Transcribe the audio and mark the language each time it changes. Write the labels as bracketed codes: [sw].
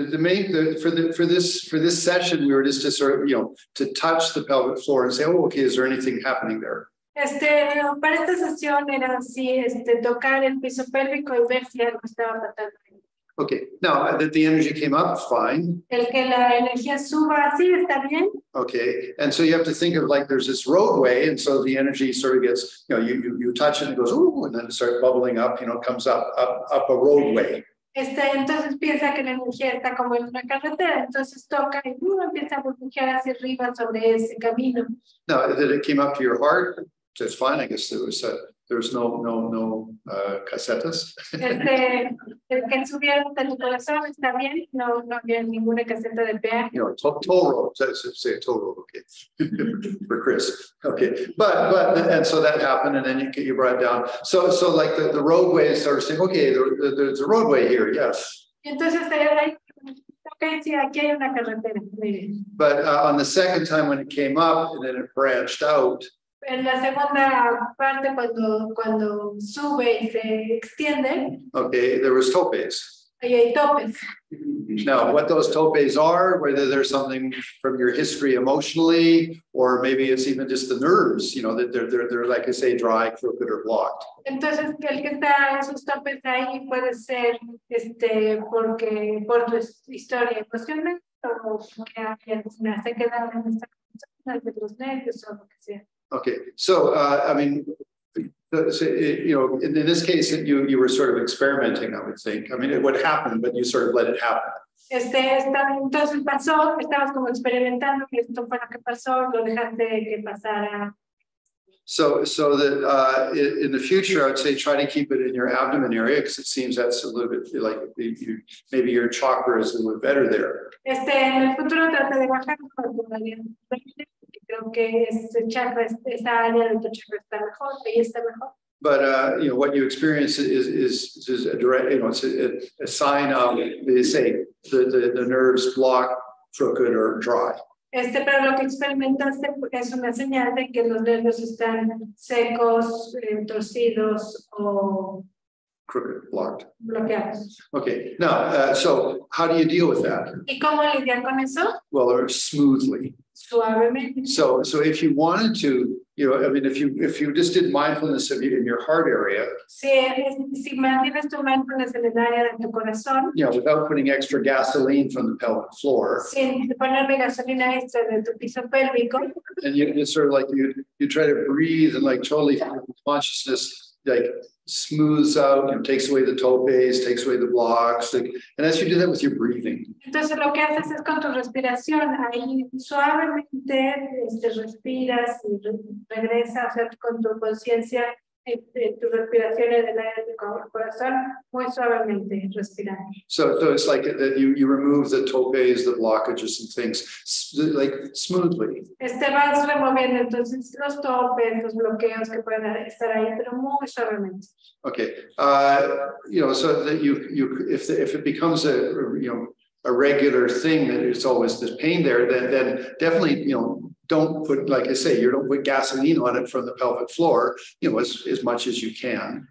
[en] For this session, we were just to sort of, to touch the pelvic floor and say, oh, okay, is there anything happening there? [es] Para esta sesión era así, tocar el piso pélvico y ver si algo estaba pasando. [en] Okay, now that the energy came up, fine. [es] El que la energía suba, sí, está bien. [en] Okay, and so you have to think of like there's this roadway, and so the energy sort of gets, you touch it and it goes, ooh, and then it starts bubbling up, it comes up a roadway. [es] Entonces piensa que la energía está como en una carretera, entonces toca y empieza a burbujear hacia arriba sobre ese camino. [en] No, that it came up to your heart, just fine, I guess there's no casetas. [es] El que subiera hasta tu corazón está bien, no había ninguna caseta de peaje. [en] Toll road, okay, for Chris, okay. But and so that happened, and then you get your ride down. So like the roadway starts saying, okay, there's a roadway here, yes. [es] Entonces ahí, okay, sí, aquí hay una carretera, muy bien. [en] But on the second time when it came up and then it branched out, [es] en la segunda parte, cuando sube y se extiende. [en] Okay, there was topes. [es] Ahí hay topes. [en] Now, what those topes are, whether there's something from your history emotionally, or maybe it's even just the nerves, that they're like I say, dry, crooked, or blocked. [es] Entonces, el que está en sus topes ahí puede ser porque por tu historia emocional, o porque alguien se ha quedado en esta cosa, de los nervios, o lo que sea. [en] Okay, so in this case, you were sort of experimenting, I would think. I mean, it would happen, but you sort of let it happen. [es] Entonces pasó, estabas como experimentando, y esto fue lo que pasó, lo dejaste que pasara. [en] So that in the future, I would say try to keep it in your abdomen area, because it seems that's a little bit like maybe your chakra is a little bit better there. [es] En el futuro trata de bajar, creo que ese chakra, esa área de tu chakra está mejor, ahí está mejor. [en] But what you experience is a direct, it's a sign of, they say, the nerves block, crooked, or dry. [es] Pero lo que experimentaste es una señal de que los nervios están secos, torcidos, o [en] crooked, blocked. [es] Bloqueados. [en] Okay, now, so how do you deal with that? [es] ¿Y cómo lidiar con eso? [en] Well, or smoothly. [es] Suavemente. [en] So if you wanted to, if you just did mindfulness of you in your heart area. [es] Si mantienes tu mindfulness en el área de tu corazón. [en] Without putting extra gasoline from the pelvic floor. [es] Sin ponerme gasolina extra de tu piso pélvico. [en] And you just sort of like you try to breathe and like totally feel consciousness. like smooths out, you know, takes away the topes, takes away the blocks, like, and as you do that with your breathing. [es] Entonces lo que haces es con tu respiración, ahí suavemente respiras y regresa, o sea, con tu conciencia, tu respiración en el aire de tu corazón, muy suavemente respirar. [en] So it's like that you remove the topes, the blockages and things, like smoothly. [es] Este vas removiendo entonces los topes, los bloqueos que pueden estar ahí, pero muy suavemente. [en] Okay, you know, so that you if it becomes a, you know, a regular thing that it's always this pain there, then definitely, you know, don't put, like I say, you don't put gasoline on it from the pelvic floor, you know, as much as you can.